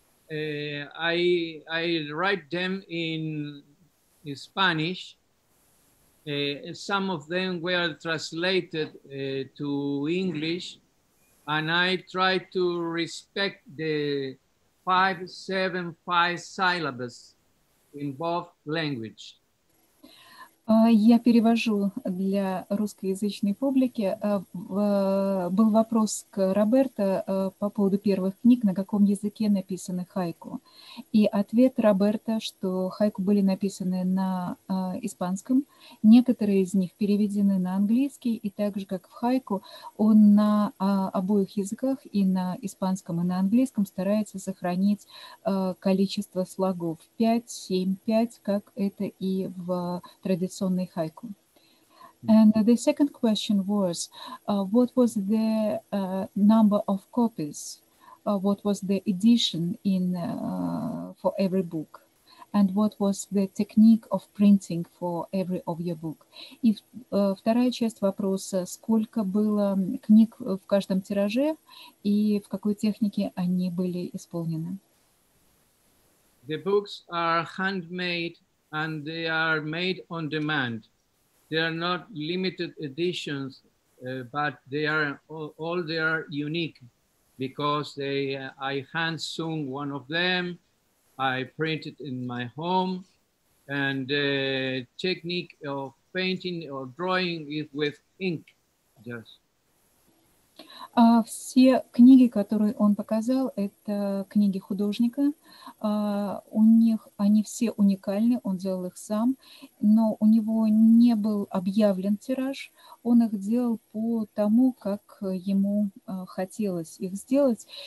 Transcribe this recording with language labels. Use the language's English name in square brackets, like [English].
[English] I write them in Spanish. Some of them were translated to English, and I try to respect the 5-7-5 syllables in both language. [Russian] Я перевожу для русскоязычной публики. Был вопрос к Роберто по поводу первых книг, на каком языке написаны хайку. И ответ Роберто, что хайку были написаны на испанском, некоторые из них переведены на английский, и так же, как в хайку, он на обоих языках, и на испанском, и на английском, старается сохранить количество слогов 5, 7, 5, как это и в традиционном. [English] And the second question was, what was the number of copies? What was the edition in for every book? And what was the technique of printing for every of your book? [Russian] И вторая часть вопроса, сколько было книг в каждом тираже и в какой технике они были исполнены? [English] The books are handmade. And they are made on demand. They are not limited editions, but they are all they are unique because they I hand sewn one of them, I printed in my home, and the technique of painting or drawing is with ink, just. [Russian] Все книги, которые он показал, это книги художника. У них они все уникальны, он делал их сам, но у него не был объявлен тираж. Он их делал по тому, как ему хотелось их сделать.